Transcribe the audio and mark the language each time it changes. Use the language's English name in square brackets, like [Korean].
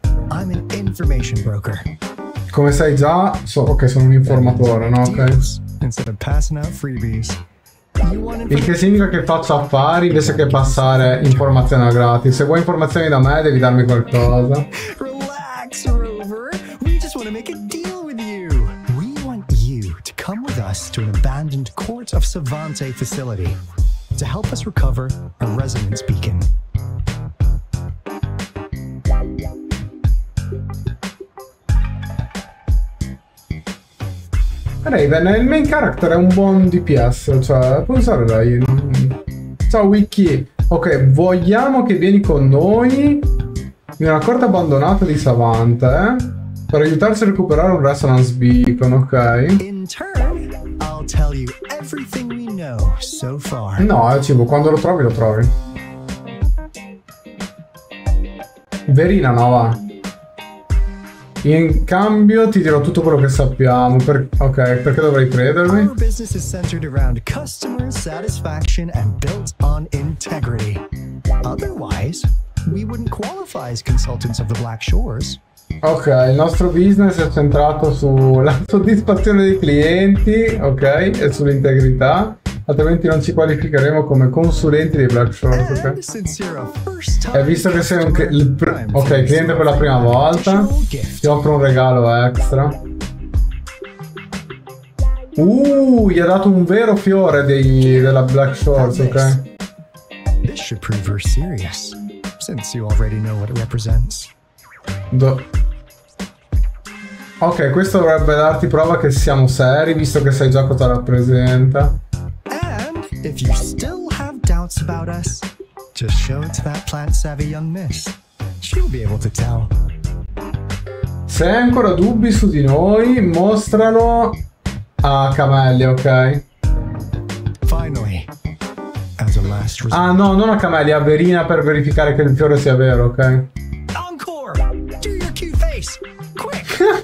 [English] I'm an information broker. [Italian] Come sai già, so che sono un informatore, no? Ok. [English] Instead of passing out freebies. [Italian] Il che significa che faccio affari invece che passare informazioni a gratis. Se vuoi informazioni da me, devi darmi qualcosa. [English] Relax, Rover. We just want to make a deal with you. We want you to come with us to an abandoned Court of Savante facility to help us recover a resonance beacon. [Italian] Raven, il main character è un buon DPS, cioè, puoi usare Raven. Ciao Wiki. Ok, vogliamo che vieni con noi in una corte abbandonata di Savante per aiutarci a recuperare un resonance beacon, ok? [English] In turn, I'll tell you everything we know so far. [Italian] No, cibo, quando lo trovi, lo trovi. Verina, no, va. In cambio ti dirò tutto quello che sappiamo. Ok, perché dovrei credermi? [English] Our business is centered around customer satisfaction and built on integrity. Otherwise, we wouldn't qualify as consultants of the Black Shores. [Italian] Ok, il nostro business è centrato sulla soddisfazione dei clienti, ok, e sull'integrità. Altrimenti non ci qualificheremo come consulenti dei Black Shores, ok? E visto che sei un cliente per la prima volta, ti offro un regalo extra. Gli ha dato un vero fiore della Black Shores, ok? [English] This should prove you're serious, since you already know what it represents. [Italian] Ok, questo dovrebbe darti prova che siamo seri, visto che sai già cosa rappresenta. [English] If you still have doubts about us, just show it to that plant savvy young miss. She'll be able to tell. [Italian] Se hai ancora dubbi su di noi, mostralo a Camellia, ok? [English] Finally, as a last resort. [Italian] Ah no, non a Camellia, a Verina per verificare che il fiore sia vero, ok? [English] Encore! Do your cute face! Quick!